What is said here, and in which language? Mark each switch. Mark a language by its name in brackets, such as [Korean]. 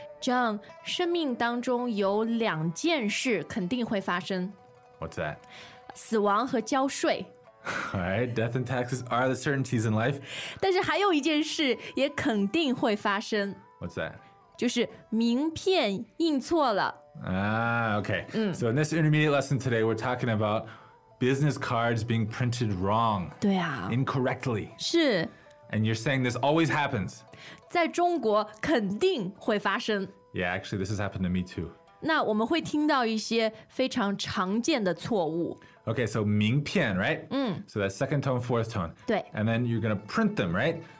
[Chinese] John, 生命当中有两件事肯定会发生。 [English] What's that? [Chinese] 死亡和交税。 [English] Alright, death and taxes are the certainties in life. [Chinese] 但是还有一件事也肯定会发生。 [English] What's that? [Chinese] 就是名片印错了。 [English] Okay. So in this intermediate lesson today, we're talking about business cards being printed wrong. [Chinese] 对啊。 [English] Incorrectly. [Chinese] 是。 [English] And you're saying this always happens. [Chinese] 在中国肯定会发生。 [English] Yeah, actually, this has happened to me too. [Chinese] 那我们会听到一些非常常见的错误。 [English] Okay, so 名片, right? So that's second tone, fourth tone. [Chinese] 对。 [English] And then you're going to print them, right?